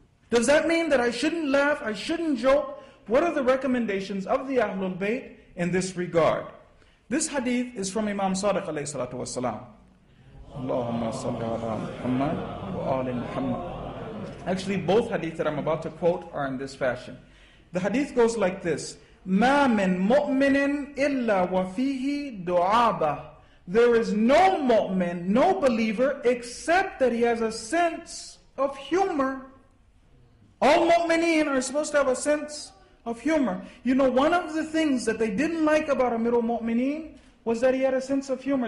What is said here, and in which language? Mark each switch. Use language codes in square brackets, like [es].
[en] Does that mean that I shouldn't laugh, I shouldn't joke? What are the recommendations of the Ahlul Bayt in this regard? This hadith is from Imam Sadiq alayhi salatu wasalam. Allahumma salli ala Muhammad wa ali Muhammad. Actually, both hadith that I'm about to quote are in this fashion. The hadith goes like this: [ar] مَا مِن مُؤْمِنٍ إِلَّا وَفِيهِ دُعَابَ. [en] There is no mu'min, no believer, except that he has a sense of humor. All mu'mineen are supposed to have a sense of humor. You know, one of the things that they didn't like about Amir al-Mu'mineen was that he had a sense of humor.